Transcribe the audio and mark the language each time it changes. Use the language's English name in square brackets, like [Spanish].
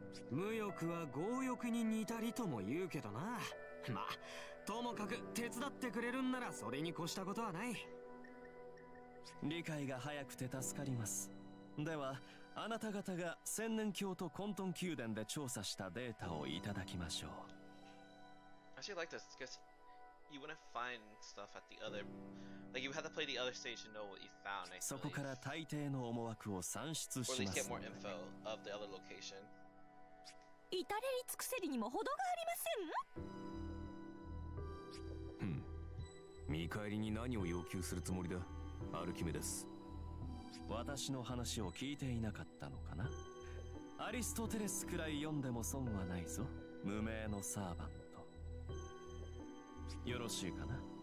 [Japanese] 無欲は強欲に似たりとも言うけどな。まあともかく手伝ってくれるんならそれに越したことはない。理解が早くて助かります。ではあなた方が千年鏡と混沌宮殿で調査したデータをいただきましょう。 [English] Actually, I like this because you wouldn't find stuff at the other like you have to play the other stage to know what you found. [Japanese] そこから大抵の思惑を算出します。 [English] Or at least get more info of the other location. [Japanese] 至れり尽くせりにも程がありません。見返りに何を要求するつもりだ、アルキメデス。私の話を聞いていなかったのかな。アリストテレスくらい読んでも損はないぞ、無名のサーヴァント。よろしいかな。